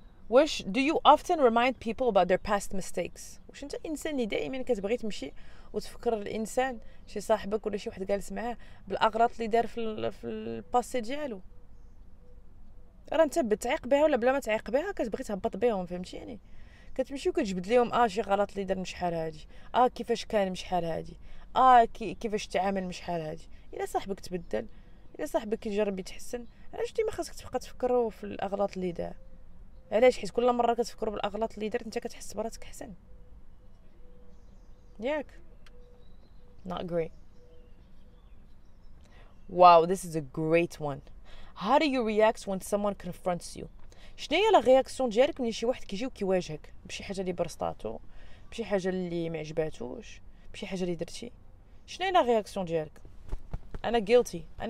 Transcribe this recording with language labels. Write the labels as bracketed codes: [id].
[ar] واش [en] do you often remind people about their past mistakes؟ [ar] واش انت انسان اللي دائما كتبغي تمشي وتفكر الانسان شي صاحبك ولا شي واحد جالس معاه بالاغراض اللي دار في الباسي ديالو، راه انت بتعيق بها ولا بلا ما تعيق بها كتبغي تهبط بهم، فهمتيني؟ كتمشي وكتجبد لهم شي غلط اللي دار من شحال هادي، كيفاش كان من شحال هادي، كيفاش تعامل من شحال هادي. الا صاحبك تبدل، الا صاحبك يجرب يتحسن، علاش ديما خاصك تبقى تفكروا في الاغلاط اللي دار؟ علاش؟ حيت كل مره كتفكروا بالاغلاط اللي درت انت كتحس براسك احسن، ياك؟ [en] not great. Wow, this is a great one. How do you react when someone confronts you؟ [ar] شنو هي لا رياكسيون ديالك ملي شي واحد كيجي وكيواجهك بشي حاجه اللي برصطاتو، بشي حاجه اللي معجباتوش، بشي حاجه اللي درتي؟ شنو هي لا رياكسيون ديالك؟ انا غيلتي.